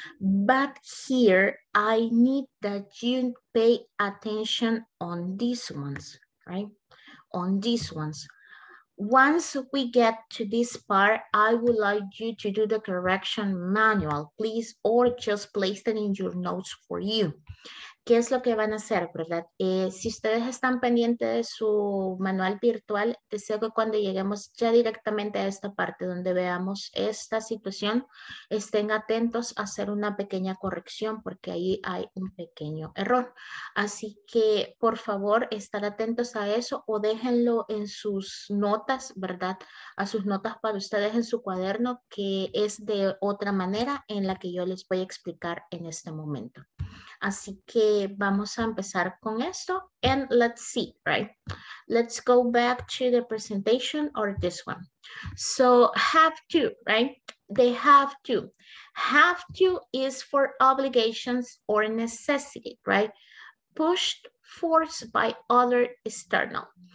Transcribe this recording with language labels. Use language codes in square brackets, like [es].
[en] But here, I need that you pay attention on these ones, right? On these ones. Once we get to this part, I would like you to do the correction manual, please, or just place it in your notes for you. [es] ¿Qué es lo que van a hacer, verdad? Si ustedes están pendientes de su manual virtual, deseo que cuando lleguemos ya directamente a esta parte donde veamos esta situación, estén atentos a hacer una pequeña corrección porque ahí hay un pequeño error. Así que, por favor, estar atentos a eso o déjenlo en sus notas, ¿verdad? A sus notas para ustedes en su cuaderno, que es de otra manera en la que yo les voy a explicar en este momento. Así que vamos a empezar con esto. [en] And let's see, right? Let's go back to the presentation or this one. So have to, right? They have to. Have to is for obligations or necessity, right? Pushed, forced by other external.